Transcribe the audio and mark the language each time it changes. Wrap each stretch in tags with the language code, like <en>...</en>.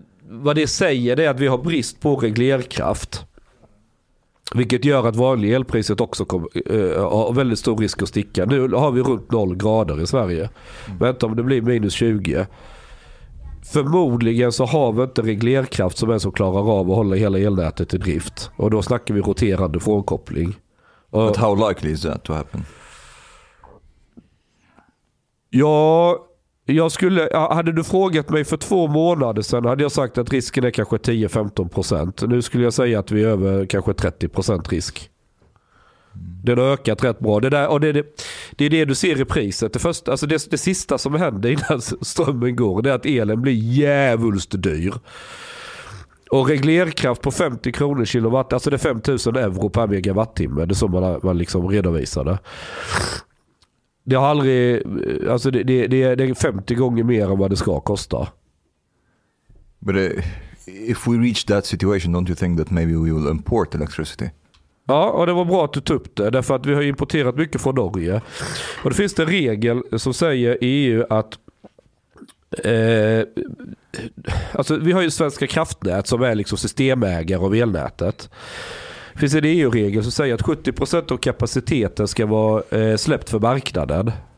<sv>Vad det säger är att vi har brist på reglerkraft. Vilket gör att vanlig elpriset också har väldigt stor risk att sticka. Nu har vi runt 0 grader i Sverige. Vänta om det blir minus 20. Förmodligen så har vi inte reglerkraft som ens klarar av att hålla hela elnätet i drift. Och då snackar vi roterande frånkoppling.</sv> <en>But how likely is that to happen?</en> <sv>Ja... Hade du frågat mig för 2 månader sedan hade jag sagt att risken är kanske 10-15%. Nu skulle jag säga att vi är över kanske 30% risk. Den har ökat rätt bra. Det är det du ser i priset. Det sista som händer innan strömmen går, det är att elen blir jävulst dyr. Och reglerkraft på 50 kronor kilowatt, alltså det är 5000 euro per megawattimme. Det är som man liksom redovisade. Det har aldrig, alltså det är 50 gånger mer än vad det ska kosta.</sv> <en>But if we reach that situation, don't you think that maybe we will import electricity?</en> <sv>Ja, och det var bra att du tog upp det, därför att vi har importerat mycket från Norge. Och det finns en regel som säger i EU att alltså vi har ju Svenska Kraftnät som är liksom systemägare av elnätet. finns en EU-regel som säger att 70% av kapaciteten ska vara släppt för marknaden.</sv>